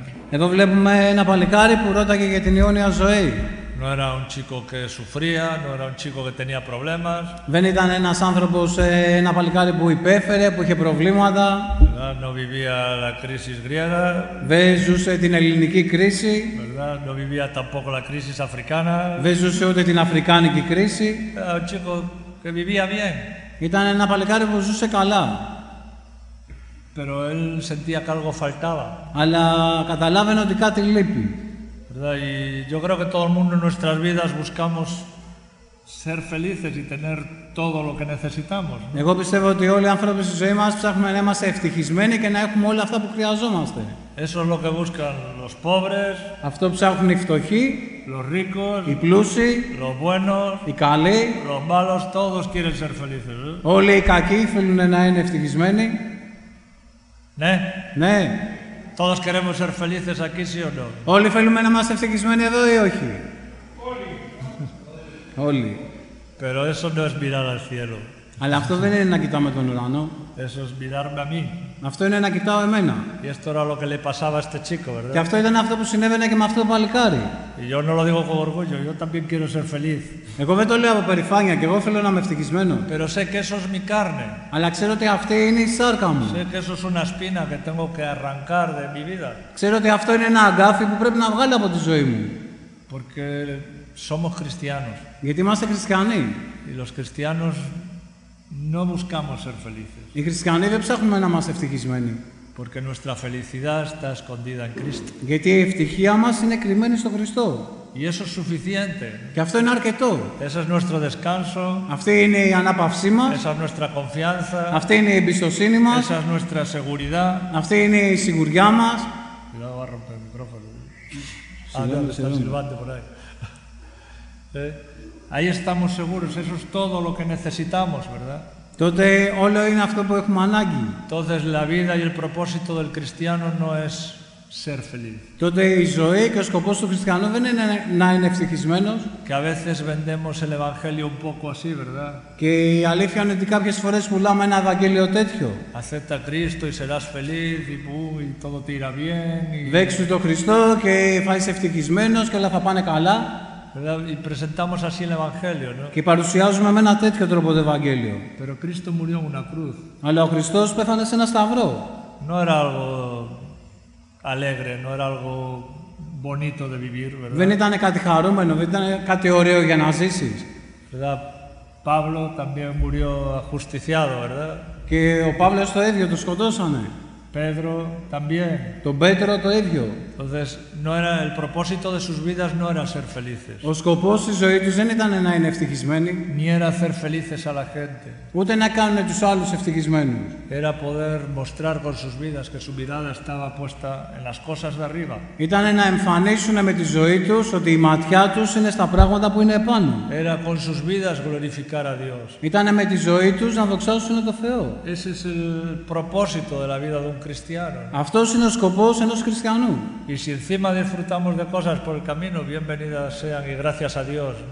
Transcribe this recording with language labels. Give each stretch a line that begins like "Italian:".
Greek: Εδώ βλέπουμε ένα παλικάρι που ρώταγε για την αιώνια ζωή.
Spanish: No era un chico que sufría, no era un chico que tenía problemas.
Greek: Δεν ήταν ένας άνθρωπος, ένα παλικάρι που υπέφερε, που είχε προβλήματα.
Spanish: ¿Verdad? No vivía la crisis griega.
Greek: Δεν ζούσε την ελληνική κρίση.
Spanish: ¿Verdad? No vivía tampoco la crisis africana.
Greek: Δεν ζούσε ούτε την αφρικάνικη κρίση.
Spanish: Era un chico que vivía bien.
Greek: Ήταν ένα παλικάρι που ζούσε καλά.
Spanish: Pero él sentía que algo faltaba.
Greek: Αλλά καταλάβαινε ότι κάτι λείπει.
Spanish: Y yo creo que todo el mundo en nuestras vidas buscamos ser felices y tener todo lo que necesitamos.
Greek: Εγώ πιστεύω ότι όλοι οι άνθρωποι στη ζωή μας ψάχνουμε να είμαστε ευτυχισμένοι και να έχουμε όλα αυτά που χρειαζόμαστε.
Spanish: Eso es lo que buscan los pobres.
Greek: Αυτό ψάχνουν οι φτωχοί.
Spanish: Los ricos.
Greek: Οι πλούσιοι.
Spanish: Los buenos.
Greek: Οι καλοί.
Spanish: Los malos, todos quieren ser felices.
Greek: Όλοι οι κακοί θέλουν να είναι ευτυχισμένοι. Ναι. Ναι.
Spanish: Todos queremos ser felices aquí, sí o no.
Greek: Όλοι θέλουμε να είμαστε ευτυχισμένοι εδώ ή όχι? Όλοι.
Spanish: Pero eso no es mirar al cielo.
Greek: Αλλά αυτό δεν είναι να κοιτάμε τον ουρανό.
Spanish: Eso es mirarme a mí.
Greek: Αυτό είναι να κοιτάω εμένα.
Spanish: Y esto era lo que le pasaba a este chico, ¿verdad?
Greek: Και αυτό ήταν αυτό που συνέβαινε και με αυτό το παλικάρι.
Spanish: Y yo no lo digo con orgullo, yo también quiero ser feliz.
Greek: Εγώ δεν το λέω από περηφάνεια και εγώ θέλω να είμαι ευτυχισμένο.
Spanish: Pero sé que eso es mi carne.
Greek: Αλλά ξέρω ότι αυτή είναι η σάρκα μου.
Spanish: Sé que eso es una espina que tengo que arrancar de mi vida.
Greek: Ξέρω ότι αυτό είναι ένα αγκάθι που πρέπει να βγάλω από τη ζωή μου.
Spanish: Porque somos cristianos.
Greek: Γιατί είμαστε χριστιανοί.
Spanish: Y los cristianos no buscamos ser felices.
Greek: Οι χριστιανοί δεν ψάχνουμε να είμαστε ευτυχισμένοι.
Spanish: Porque nuestra felicidad está escondida en Cristo.
Greek: Γιατί η ευτυχία μας είναι κρυμμένη στον Χριστό.
Spanish: Y eso es suficiente.
Greek: Και αυτό είναι αρκετό.
Spanish: Eso es nuestro descanso.
Greek: Αυτή είναι η ανάπαυσή μας.
Spanish: Esa es nuestra confianza.
Greek: Αυτή είναι η εμπιστοσύνη μας.
Spanish: Esa es nuestra seguridad.
Greek: Αυτή είναι η σιγουριά μας.
Spanish: Cuidado, va a romper el micrófono. Silbando por ahí. Ahí estamos seguros, eso es todo lo que necesitamos, ¿verdad?
Greek: Τότε όλο είναι αυτό που έχουμε ανάγκη.
Spanish: Entonces la vida y el propósito del cristiano no es ser feliz.
Greek: Τότε η ζωή και ο σκοπός του χριστιανού δεν είναι να είναι ευτυχισμένος.
Spanish: Que a veces vendemos el evangelio un poco así, ¿verdad?
Greek: Και η αλήθεια είναι ότι κάποιες φορές πουλάμε ένα ευαγγέλιο τέτοιο.
Spanish: Acepta a Cristo y serás feliz y todo te irá bien.
Greek: Δέξου τον Χριστό και θα είσαι ευτυχισμένος και όλα θα πάνε καλά.
Spanish: Y presentamos así el Evangelio, ¿no?
Greek: Και παρουσιάζουμε με ένα τέτοιο τρόπο το Ευαγγέλιο.
Spanish: Pero Cristo murió en una cruz.
Greek: Αλλά ο Χριστός πέθανε σε ένα σταυρό.
Spanish: No era algo alegre, no era algo bonito de vivir, ¿verdad?
Greek: Δεν ήταν κάτι χαρούμενο, δεν ήταν κάτι ωραίο για να ζήσεις.
Spanish: Pablo también murió ajusticiado, ¿verdad?
Greek: Και ο Παύλος το ίδιο, το σκοτώσανε.
Spanish: Pedro también.
Greek: Τον Πέτρο το ίδιο.
Spanish: Entonces, no era el propósito de sus vidas no era ser felices.
Greek: Ο σκοπός της ζωής τους δεν ήταν να είναι ευτυχισμένοι.
Spanish: Ni era hacer felices a la gente.
Greek: Ούτε να κάνουν τους άλλους ευτυχισμένους.
Spanish: Era poder mostrar con sus vidas que su mirada estaba puesta en las cosas de arriba.
Greek: Ήταν να εμφανίσουν με τη ζωή τους ότι η ματιά τους είναι στα πράγματα που είναι επάνω.
Spanish: Era con sus vidas glorificar a Dios.
Greek: Ήταν με τη ζωή τους να δοξάσουν τον Θεό.
Spanish: Ese es el propósito de la vida de un cristiano.
Greek: Αυτός είναι ο σκοπός ενός χριστιανού.
Spanish: Y si encima disfrutamos de cosas por el camino, bienvenidas sean y gracias a Dios.